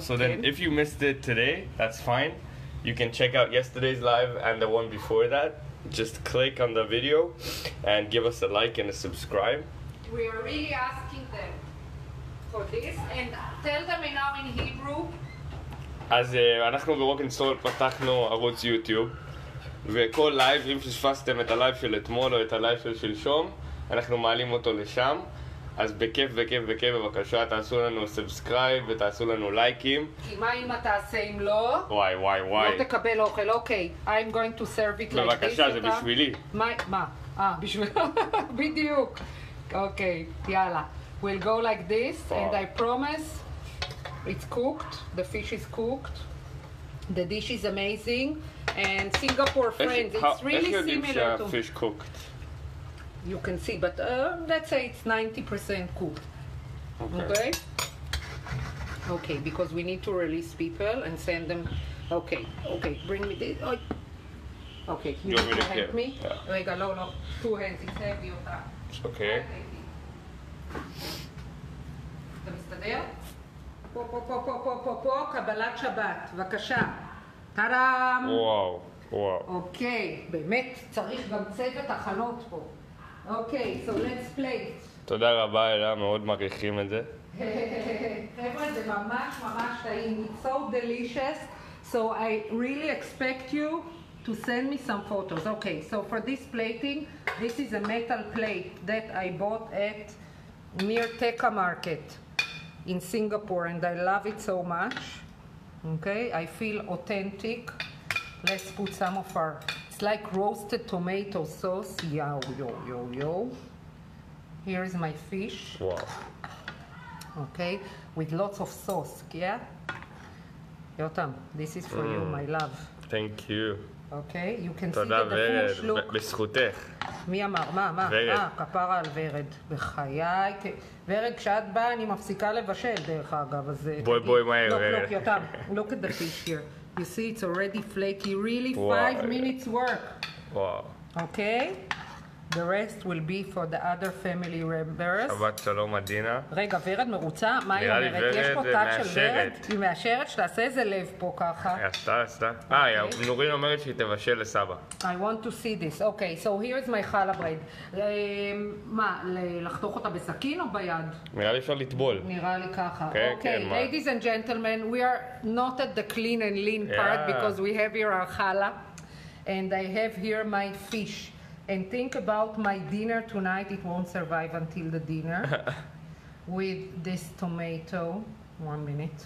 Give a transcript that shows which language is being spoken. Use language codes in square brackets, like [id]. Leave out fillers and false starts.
[en] So then if you missed it today, that's fine. You can check out yesterday's live and the one before that. Just click on the video and give us a like and a subscribe. We are really asking them for this, and tell them now in Hebrew. [he] אז אנחנו בווקנסטרול פתחנו ערוץ יוטיוב, וכל לייב, אם פספסתם את הלייב של אתמול או את הלייב של שלשום, אנחנו מעלים אותו לשם. אז בכיף, בכיף, בכיף, בבקשה, תעשו לנו סאבסקרייב ותעשו לנו לייקים. כי מה אם אתה עושה אם לא? וואי. לא תקבל אוכל, אוקיי. [en] I'm going to serve it like [he] this. בבקשה, זה בשבילי. מה? בשבילי. בדיוק. אוקיי, יאללה. [en] will go like this, and I promise it's cooked, the fish is cooked, the dish is amazing, and Singapore friends, it's really similar to fish cooked. You can see, but let's say it's 90% cooked. Okay. Okay, because we need to release people and send them. Okay, bring me this. Okay, you want me to help me? Yeah. Like, no, two hands, it's heavy. It's okay. [he] אתה מסתדר? פה, פה, פה, פה, פה, פה, פה, קבלת שבת, בבקשה. טראם! וואו. אוקיי, באמת צריך גם צוות הכנות פה. [en] אוקיי, so let's play. [he] תודה רבה, אלה, מאוד מעריכים את זה. חבר'ה, זה ממש ממש טעים. [en] It's so delicious. So I really expect you to send me some photos. Okay, so for this plating, this is a metal plate that I bought at near Tekka Market in Singapore, and I love it so much. Okay, I feel authentic. Let's put some of our, it's like roasted tomato sauce. Yo. Here is my fish. Wow. Okay, with lots of sauce, yeah? Yotam, this is for you, my love. Thank you. Okay, you can see that the fish look. [he] בזכותך. מי אמר? מה? כפרה על ורד. בחיי. ורד, כשאת באה, אני מפסיקה לבשל, דרך אגב. בואי מהר. [en] Look, Yotam, look at the fish here. You see, it's already flaky. Really, 5 minutes work. Wow. Okay? The rest will be for the other family members. [he] שבת שלום, עדינה. רגע, ורד מרוצה? מה היא אומרת? יש פה תת של ורד? היא מאשרת שתעשה איזה לב פה ככה. עשתה. אה, נורין אומרת שהיא תבשל לסבא. [en] I want to see this. Okay, so here is my challah bread. [he] מה, לחתוך אותה בסכין או ביד? נראה לי אפשר לטבול. נראה לי ככה. [en] Okay, ladies and gentlemen, we are not at the clean and lean part because we have here our challah. And I have here my fish. And think about my dinner tonight, it won't survive until the dinner. With this tomato, 1 minute.